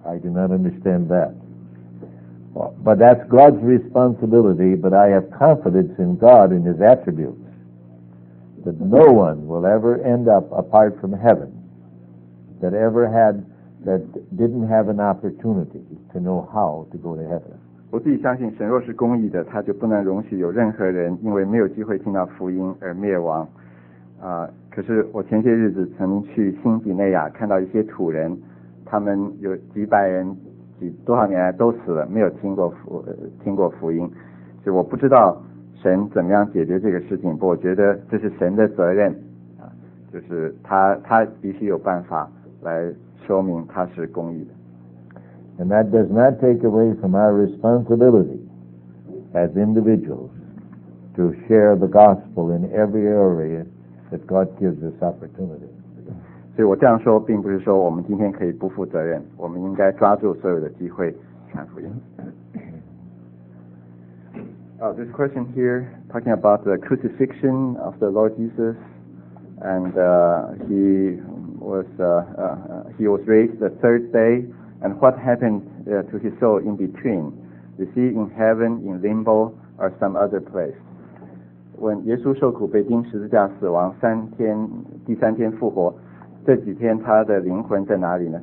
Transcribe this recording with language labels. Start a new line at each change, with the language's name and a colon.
English: I do not understand that. But that's God's responsibility, but I have confidence in God and his attributes that no one will ever end up apart from heaven that ever had, that didn't have an opportunity to know how to go to heaven.
Chinese: 我自己相信神若是公义的，他就不能容许有任何人因为没有机会听到福音而灭亡。可是我前些日子曾经去新几内亚看到一些土人，他们有几百人几多少年来都死了，没有听过福音，所以我不知道神怎么样解决这个事情，不过我觉得这是神的责任，就是他必须有办法来说明他是公义的。
English: And that does not take away from our responsibility as individuals to share the gospel in every areaThat God gives us opportunity.
Chinese: 所以我这样说，并不是说我们今天可以不负责任，我们应该抓住所有的机会传福音。
English: This question here talking about the crucifixion of the Lord Jesus, and he was raised the third day, and what happened to his soul in between? Is he in heaven, in limbo, or some other place?
Chinese: 问耶稣受苦被钉十字架死亡三天，第三天复活，这几天他的灵魂在哪里呢？